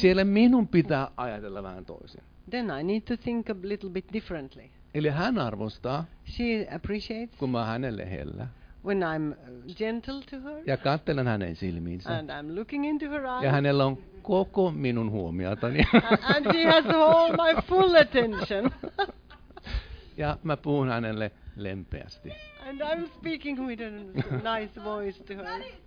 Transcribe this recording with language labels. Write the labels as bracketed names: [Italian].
[Finnish] Siellä minun pitää ajatella vähän toisin. [English] Then I need to think a little bit differently. [Finnish] Eli hän arvostaa. [English] She appreciates. [Finnish] Kun mä oon hänelle hellä. [English] When I'm gentle to her. [Finnish] Ja katselen hänen silmiinsä. [English] And I'm looking into her eyes. [Finnish] Ja hänellä on koko minun huomiotani. [English] And she has all my full attention. [Finnish] Ja mä puhun hänelle lempeästi. [English] And I'm speaking with a nice voice to her.